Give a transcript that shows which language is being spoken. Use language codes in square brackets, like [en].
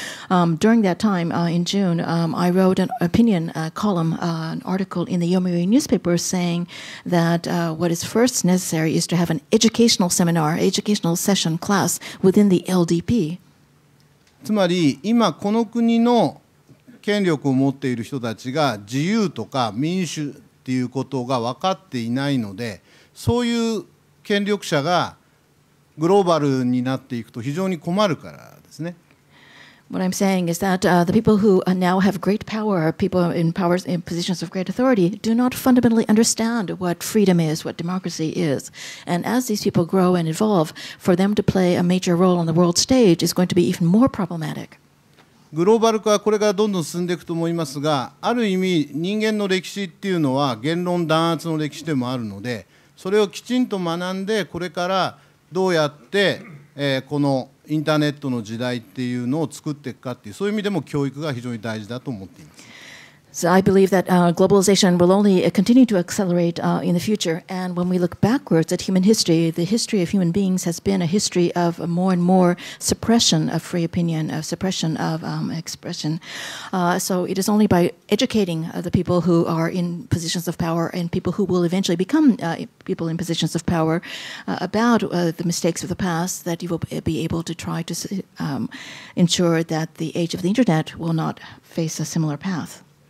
[en] During that time in June, I wrote an opinion column, an article in the Yomiuri newspaper saying that what is first necessary is to have an educational seminar, educational session class within the LDP. [ja] つまり今この国の権力を持っている人たちが自由とか民主っていうことが分かっていないので、そういう権力者がグローバルになっていくと非常に困るからですね。 [en] What I'm saying is that the people who now have great power, people in powers in positions of great authority, do not fundamentally understand what freedom is, what democracy is. And as these people grow and evolve, for them to play a major role on the world stage is going to be even more problematic. [ja] グローバル化はこれからどんどん進んでいくと思いますが、ある意味人間の歴史っていうのは言論弾圧の歴史でもあるので、それをきちんと学んで、これからどうやって、このインターネットの時代っていうのを作っていくかっていう、そういう意味でも教育が非常に大事だと思っています。 [en] So I believe that globalization will only continue to accelerate in the future, and when we look backwards at human history, the history of human beings has been a history of more and more suppression of free opinion, of suppression of expression. So it is only by educating the people who are in positions of power and people who will eventually becomePeople in positions of power about the mistakes of the past that you will be able to try to ensure that the age of the internet will not face a similar path.